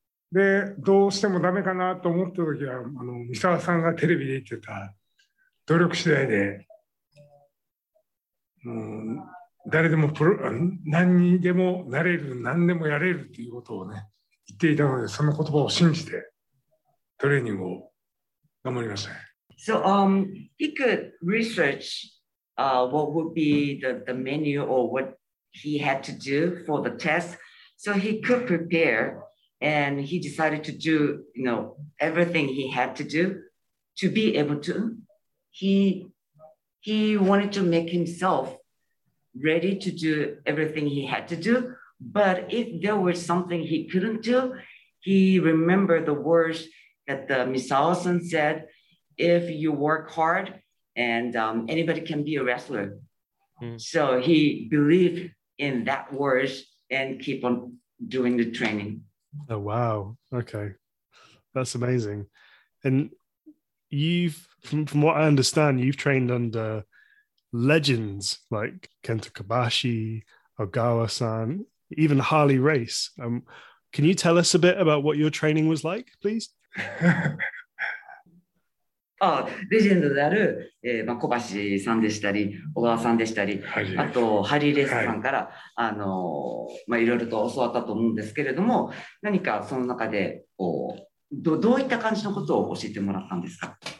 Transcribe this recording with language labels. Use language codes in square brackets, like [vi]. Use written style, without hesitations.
[ja] でどうしてもダメかなと思った時は、あの三沢さんがテレビで言ってた努力次第で、うん、誰でもプロ、何にでもなれる、何でもやれるっていうことをね言っていたので、その言葉を信じてトレーニングを頑張りました。 [en] So he could research what would be the menu or what he had to do for the test, so he could prepare, and he decided to do, you know, everything he had to do to be able to he wanted to make himself ready to do everything he had to do. But if there was something he couldn't do, he remembered the words that the Misao-san said, if you work hard and anybody can be a wrestler. So he believed in that words and keep on doing the training. Oh, wow. Okay. That's amazing. And you've, from what I understand, you've trained under legends like Kenta Kobashi, Ogawa-san, even Harley Race. Can you tell us a bit about what your training was like, please? [ja] Oh, legend である、まあ、小橋さんでしたり、小川さんでしたり、あとハリーレースさんから、はい、まあ、いろいろと教わったと思うんですけれども、何かその中でこう、どういった感じのことを教えてもらったんですか？